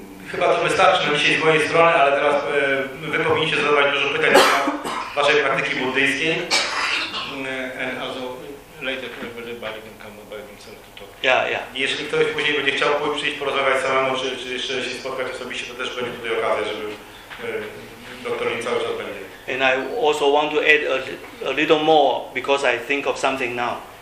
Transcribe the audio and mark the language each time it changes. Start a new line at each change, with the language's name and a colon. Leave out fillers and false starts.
Polish: Chyba to wystarczy na dzisiaj z mojej strony, ale teraz wy powinniście zadawać dużo pytań na waszej praktyki buddyjskiej.
English: And also later everybody can come by themselves to talk.
Polish: Jeśli ktoś później będzie chciał pójść przyjść porozmawiać samemu, czy jeszcze się spotkać osobiście, to też będzie tutaj okazja, żeby doktor im cały czas będzie.
English: And I also want to add a little more because I think of something now.